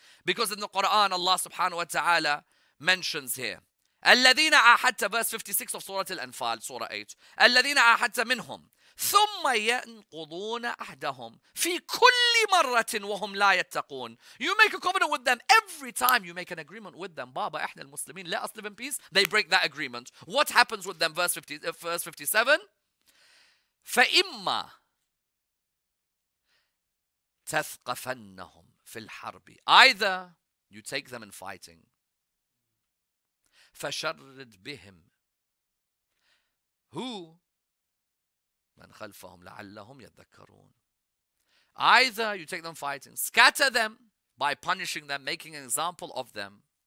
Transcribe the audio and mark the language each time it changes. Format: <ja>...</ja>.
<en>Because in the Quran, Allah subhanahu wa ta'ala mentions here, الَّذِينَ أَحَدْتَ, verse 56 of Surah Al-Anfal, Surah 8, الَّذِينَ أَحَدْتَ مِنْهُمْ ثُمَّ يَنْقُضُونَ أَحْدَهُمْ فِي كُلِّ مَرَّةٍ وَهُمْ لَا يَتَّقُونَ. You make a covenant with them. Every time you make an agreement with them, Baba, إحنا المسلمين, let us live in peace, they break that agreement. What happens with them?</en> <ar>Verse 57, فَإِمَّا تَثْقَفَنَّهُمْ فِي الْحَرْبِ.</ar> <en>Either you take them in fighting.</en> <ar>فَشَرِّدْ بِهِمْ هُو مَنْ خَلْفَهُمْ لَعَلَّهُمْ يَتَّكَّرُونَ.</ar> <en>Either you take them fighting, scatter them by punishing them, making an example of them.</en>